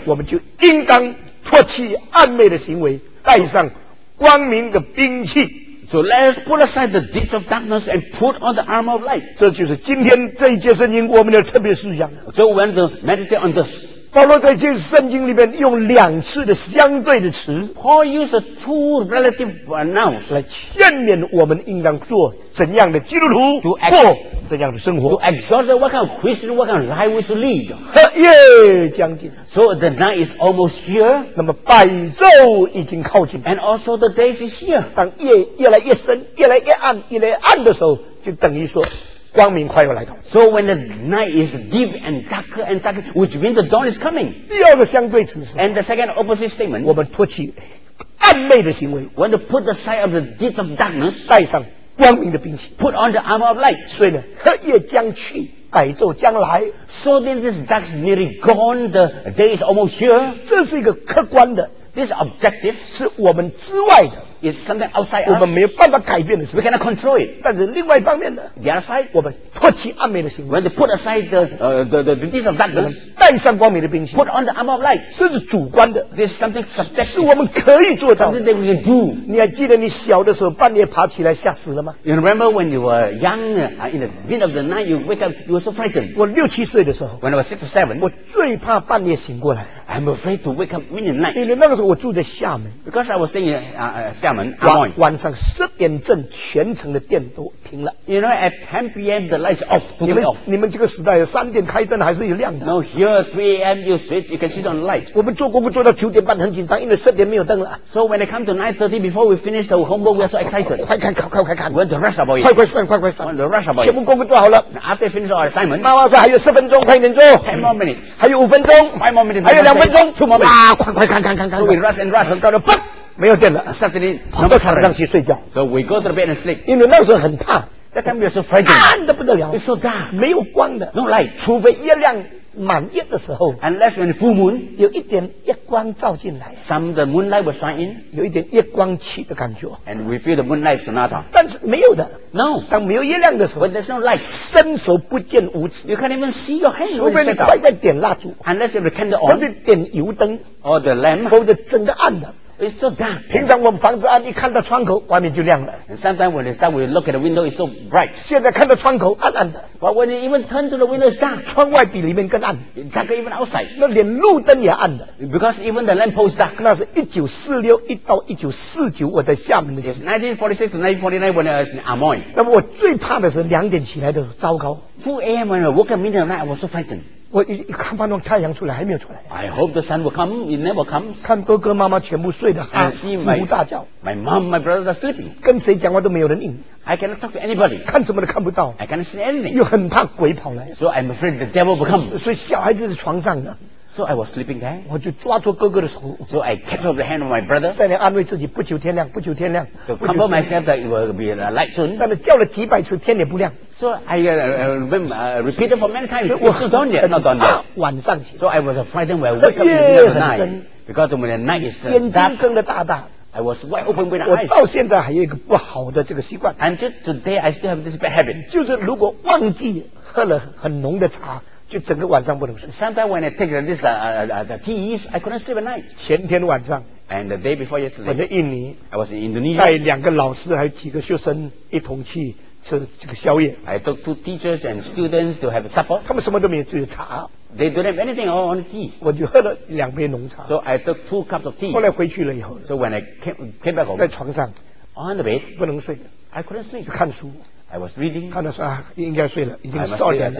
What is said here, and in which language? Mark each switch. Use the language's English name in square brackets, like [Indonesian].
[Chinese] 我们就应当脱去暗昧的行为带上光明的兵器 [English] So let us put aside the deeds of darkness and put on the armor of light [Chinese] 这就是今天这一节圣经我们的特别事项 [English] So we want to meditate on this [Chinese] 保罗在这次圣经里面用两次的相对的词 [English] Paul used two relative nouns [Chinese] 来劝勉我们应当做怎样的基督徒 [English] to [Chinese] 过怎样的生活 [English] to exhort what kind of Christian what kind of life we should lead [Chinese] 夜将近 [English] so the night is almost here [Chinese] 那么百昼已经靠近 [English] and also the days is here [Chinese] 当夜越来越深越来越暗越来越暗的时候就等于说光明快要来到 [English] So when the night is deep and darker Which means the dawn is coming [Chinese] 第二个相对词是 [English] And the second opposite statement [Chinese] 我们脱去暗昧的行为 [English] We want to put aside of the deeds of darkness [Chinese] 带上光明的兵器 [English] Put on the armor of light [Chinese] 所以呢黑夜将去百昼将来 [English] So then this dark is nearly gone The day is almost here [Chinese] 这是一个客观的 [English] This objective [Chinese] 是我们之外的 [English] Is something outside us. [Chinese] 我们没有办法改变的事 [English] We cannot control it. [Chinese] 但是另外一方面呢 [English] The other side, [Chinese] 我们脱去暗昧的行为 [English] When they put aside the deeds of darkness, [Chinese] 带上光明的兵器 [English] Put on the armor of light. [Chinese] 这是主观的 [English] This is something subjective. [Chinese] 是我们可以做到的 [English] Something that we can do. [Chinese] 你还记得你小的时候半夜爬起来吓死了吗 [English] You remember when you were young, in the middle of the night, you wake up, you were so frightened. [Chinese] 我六七岁的时候 [English] When I was 6 or 7, [Chinese] 我最怕半夜醒过来 [English] I'm afraid to wake up mid night. [Chinese] 因为那个时候我住在厦门 [English] Because I was staying in 厦门 [Chinese] 晚上十点正全城的电都停了 [English] You know at 10 p.m. the lights off [Chinese] 你们这个时代三点开灯还是有亮的 [English] No here 3 a.m. you switch you can see the light [Chinese] 我们做工作到9点半很紧张因为10点没有灯了 [English] So when it comes to 9:30 before we finish the homework we are so excited [Chinese] 快看快快快看 [English] We want to rush about it [Chinese] 快快算快快算 [English] We want to rush about it [Chinese] 全部工作好了 [English] After finish our assignment [Chinese] 妈妈说还有10分钟快点做 [English] 10 more minutes [Chinese] 还有5分钟 [English] 5 more minutes [Chinese] 还有2分钟 [English] 2 more minutes [Chinese] 哇快快看看看看 [English] So we rush and rush [Chinese] 很高的砰没有电了 [English] Suddenly, [Chinese] 跑到床上去睡觉 [English] So we go to the bed and sleep [Chinese] 因为那时候很怕 [English] That time we are so frightened [Chinese] 暗得不得了 [English] It's so dark [Chinese] 没有光的 [English] No light [Chinese] 除非月亮满月的时候 [English] Unless when full moon [Chinese] 有一点月光光照进来。 [English] Some the moonlight will shine in。 [Chinese] 有一点夜光气的感觉。 [English] And we feel the moonlight sonata。 [Chinese] 但是没有的。 [English] No。 [Chinese] 当没有月亮的时候。 [English] When there's no light， [Chinese] 伸手不见五指。 [English] You can't even see your hand。 [Chinese] 除非你快在点蜡烛。 [English] Unless you have a candle on。 [Chinese] 或者点油灯。 [English] Or the lamp。 [Chinese] 或者整个暗的。 [English] It's so dark。 [Chinese] 平常我们房子暗，一看到窗口，外面就亮了。 [English] And sometimes when it's dark, we look at the window, it's so bright。 [Chinese] 现在看到窗口暗暗的。 [English] But when you even turn to the window, it's dark。 [Chinese] 窗外比里面更暗。 [English] It's darker even outside。 [Chinese] 那连路灯也暗的。 [English] Because even the lamp post dark。 [Chinese] 那是1946一到1949，我在厦门的时候。 [English] It's 1946 to 1949 when I was in Amoy。 [Chinese] 那么我最怕的是两点起来的，糟糕。 [English] 4 a.m. when I woke up middle of the night, I was so frightened。 [Chinese] 我一看盼望太阳出来还没有出来。 [English] I hope the sun will come, it never comes. [Chinese] 看哥哥妈妈全部睡得哈呼呼大叫。 [English] My mom, my brothers are sleeping. [Chinese] 跟谁讲话都没有人应。 [English] I cannot talk to anybody. [Chinese] 看什么都看不到。 [English] I cannot see anything. [Chinese] 又很怕鬼跑来。 [English] So I'm afraid the devil will come. [Chinese] 所以小孩子是床上的。 [English] So I was sleeping there. [Chinese] 我就抓住哥哥的手。 [English] So I kept up the hand of my brother. [Chinese] 在那安慰自己，不求天亮，不求天亮。 [English] To comfort myself that it will be a light soon. [Chinese] 但是叫了几百次，天也不亮。 [English] So I repeated for many times. It's still dawn yet, not dawn yet. [Chinese] 晚上起。 [English] So I was frightened when I woke up in the middle of the night. Because when the night is dark. [Chinese] 眼睛睁得大大。 [English] I was wide open with my eyes. [Chinese] 我到现在还有一个不好的这个习惯。 [English] And just today I still have this bad habit. [Chinese] 就是如果忘记喝了很浓的茶。就整个晚上不能睡。 [English] Sometimes when I take this the teas, I couldn't sleep at night. [Chinese] 前天晚上。 [English] And the day before yesterday. [Chinese] 我在印尼。 [English] I was in Indonesia. [Chinese] 带两个老师还有几个学生一同去吃这个宵夜。 [English] I took two teachers and students to have supper. [Chinese] 他们什么都没有，只有茶。 [English] They don't have anything all on tea. [Chinese] 我就喝了两杯浓茶。 [English] So I took two cups of tea. [Chinese] 后来回去了以后。 [English] So when I came back home. [Chinese] 在床上。 [English] On the bed. [Chinese] 不能睡。 [English] I couldn't sleep. [Chinese] 就看书。 [English] I was reading. [Chinese] 看到说啊，应该睡了，已经少点了。